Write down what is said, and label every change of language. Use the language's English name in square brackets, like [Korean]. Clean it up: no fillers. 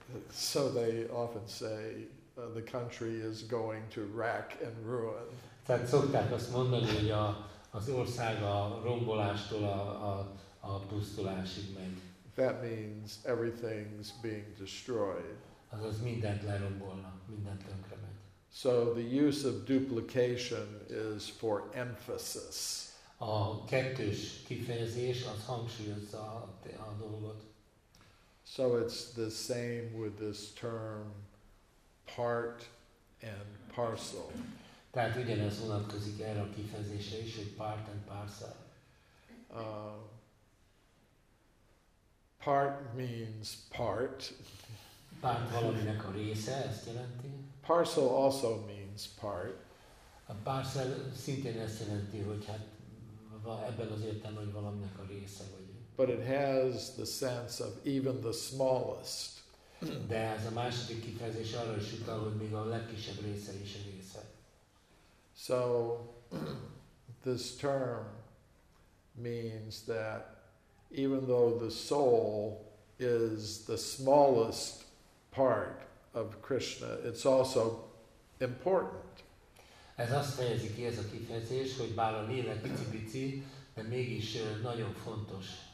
[English] So they often say the country is going to rack and ruin. [Hungarian] Tehát szokták azt mondani, hogy az ország a rombolástól a pusztulásig megy. [English] That means everything's being destroyed. [Hungarian] Azaz mindent lerombolnak, mindent tönkre megy. [English] So the use of duplication is for emphasis. [Hungarian] A kettős kifejezés az hangsúlyozza a dolgot. [English] So it's the same with this term part and parcel. [Hungarian] Tehát ugyanez vonatkozik erre a kifejezésre is, hogy part and parcel. [English] Part means part. [Hungarian] Part valaminek a része, ezt jelenti. [English] Parcel also means part. [Hungarian] A parcel szintén ezt jelenti, hogy hát ebben az értelemben, hogy valaminek a része vagy. [English] But it has the sense of even the smallest. [Hungarian] De ez a második kifejezés arra is utal, hogy még a legkisebb része is a része. [English] So, this term means that even though the soul is the smallest part of Krishna, it's also important. [Hungarian] Ez azt fejezi ki, ez a kifejezés, hogy bár a lélek pici-pici, de mégis nagyon fontos.